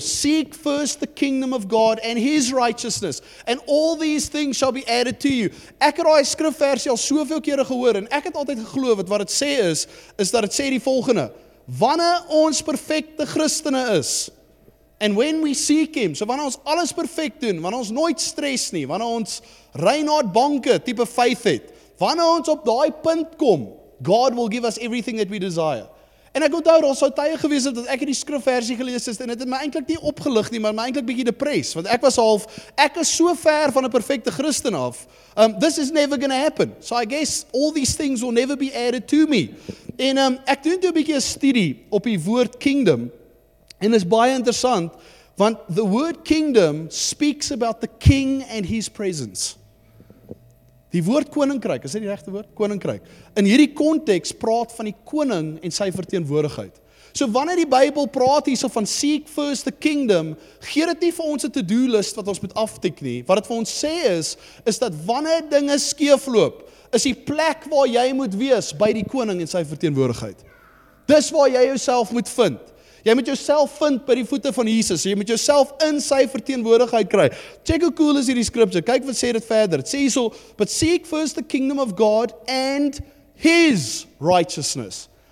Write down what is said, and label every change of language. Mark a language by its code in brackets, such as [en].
[en] Seek first the kingdom of God and his righteousness, and all these things shall be added to you. [af] Ek het daai skrifversie al soveel kere gehoor, en ek het altyd geglo wat dit sê is dat dit sê die volgende. Wanneer ons perfekte Christene is, [en] and when we seek him, [af] so wanneer ons alles perfect doen, wanneer ons nooit stres nie, wanneer ons Reinhard Bonke type faith het, wanneer ons op daai punt kom, [en] God will give us everything that we desire. [af] En ek onthou, daar sou tye gewees het dat ek hierdie skrifversie gelees het, en dit het my eintlik nie opgelig nie, maar my eintlik bietjie depress, want ek was half, ek is so ver van 'n perfekte Christen af, [en] this is never gonna happen. So I guess all these things will never be added to me. [af] En ek doen toe 'n bietjie 'n studie op die woord kingdom. En is baie interessant, want [en] the word kingdom speaks about the king and his presence. [af] Die woord koninkryk, is dit die regte woord? Koninkryk. In hierdie konteks praat van die koning en sy verteenwoordigheid. So wanneer die Bybel praat hierso van [en] seek first the kingdom, [af] gee dit nie vir ons 'n to-do list wat ons moet aftik nie. Wat dit vir ons sê is dat wanneer dinge skeefloop, is die plek waar jy moet wees by die koning en sy verteenwoordigheid. Dis waar jy jouself moet vind. Jy moet jouself vind by die voete van Jesus. Jy moet jouself in sy verteenwoordigheid kry. Check hoe cool is hierdie scripture. Kyk wat sê dit verder. Het sê hierso, [en] but seek first the kingdom of God and his righteousness.